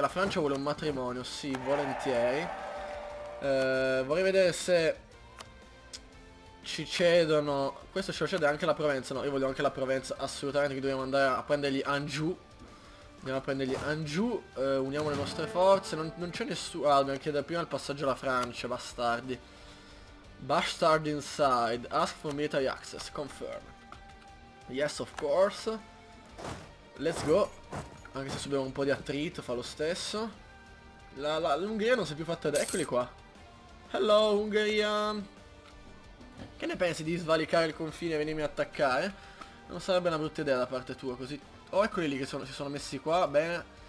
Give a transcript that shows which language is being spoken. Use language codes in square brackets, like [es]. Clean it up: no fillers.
[it] La Francia vuole un matrimonio, sì, volentieri. Vorrei vedere se ci cedono, questo ce lo cede anche la Provenza, no, io voglio anche la Provenza assolutamente, che dobbiamo andare a prendergli Anjou. Andiamo a prendergli Anjou, uniamo le nostre forze, non c'è nessuno, ah, dobbiamo chiedere prima il passaggio alla Francia, bastardi. [en] Bastard inside, ask for military access, confirm. Yes, of course. Let's go. [it] Anche se subiamo un po' di attrito, fa lo stesso. L'Ungheria non si è più fatta, ed eccoli qua. [en] Hello, [it] Ungheria. Che ne pensi di svalicare il confine e venirmi a attaccare? Non sarebbe una brutta idea da parte tua, così. Oh, eccoli lì che sono, si sono messi qua, bene.